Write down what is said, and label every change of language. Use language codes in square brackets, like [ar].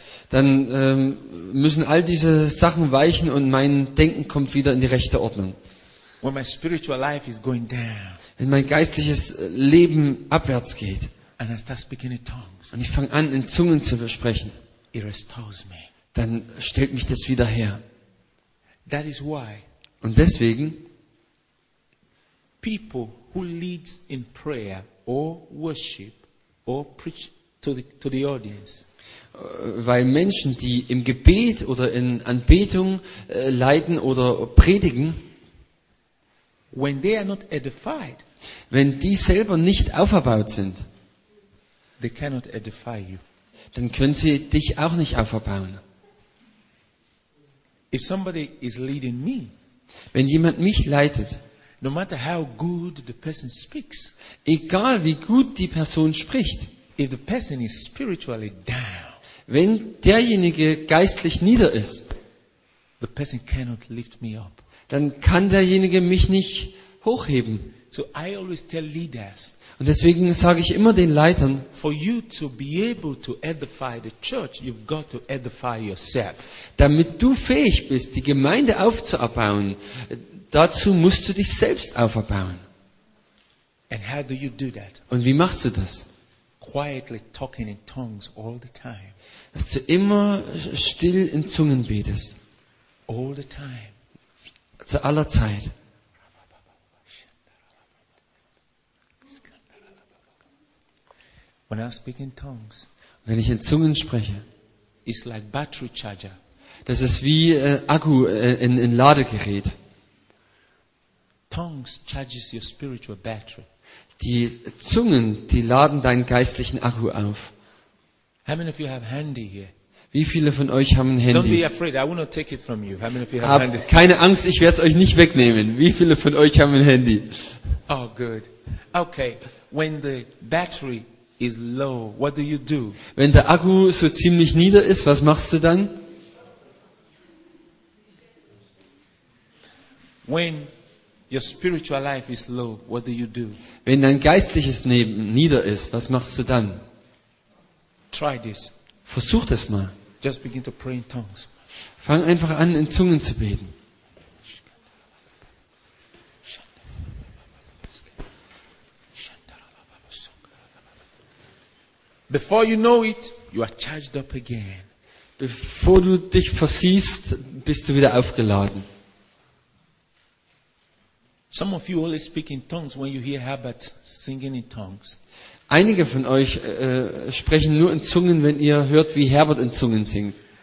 [de] Dann müssen all diese Sachen weichen und mein Denken kommt wieder in die rechte Ordnung. [en] when my spiritual life is going down, [de] wenn mein geistliches Leben abwärts geht, [en] and I start speaking in tongues, [de] und ich fange an, in Zungen zu sprechen, [en] it restores me. [de] Dann stellt mich das wieder her. [en] That is why, [de] und deswegen, [en] people who leads in prayer or worship or preach to the audience, [de] weil Menschen, die im Gebet oder in Anbetung leiten oder predigen, [en] when they are not edified, [de] wenn die selber nicht aufgebaut sind, [en] they cannot edify you. [de] Dann können sie dich auch nicht aufbauen. [en] If somebody is leading me, [de] wenn jemand mich leitet, [en] no matter how good the person speaks, [de] egal wie gut die Person spricht, [en] if the person is spiritually down, [de] wenn derjenige geistlich nieder ist, [en] the person cannot lift me up, [de] dann kann derjenige mich nicht hochheben. [en] So I always tell leaders, [de] und deswegen sage ich immer den Leitern, [en] for you to be able to edify the church, you've got to edify yourself. [de] Damit du fähig bist, die Gemeinde aufzubauen, dazu musst du dich selbst aufbauen. [en] And how do you do that? [de] Und wie machst du das? [en] Quietly talking in tongues all the time. [de] Dass du immer still in Zungen betest. [en] All the time. [de] Zu aller Zeit. [en] When I speak in tongues, [de] wenn ich in Zungen spreche, [en] it's like battery charger. [de] Das ist wie Akku in Ladegerät. [en] Tongues charges your spiritual battery. [de] Die Zungen, die laden deinen geistlichen Akku auf. [en] How many of you have handy here? [de] Wie viele von euch haben ein Handy? [en] Don't be afraid, I will not take it from you. How many of you have handy? [de] Keine Angst, ich werde es euch nicht wegnehmen. Wie viele von euch haben ein Handy? [en] Oh, good. Okay, when the battery is low, what do you do? [de] Wenn der Akku so ziemlich nieder ist, was machst du dann? [en] When your spiritual life is low, what do you do? [de] Wenn dein geistliches Leben nieder ist, was machst du dann? [en] Try this. [de] Versuch das mal. [en] Just begin to pray in tongues. [de] Fang einfach an, in Zungen zu beten. [en] Before you know it, you are charged up again. [de] Bevor du dich versiehst, bist du wieder aufgeladen. [en] Some of you always speak in tongues when you hear Herbert singing in tongues. [de] Einige von euch sprechen nur in Zungen, wenn ihr hört, wie Herbert in Zungen singt.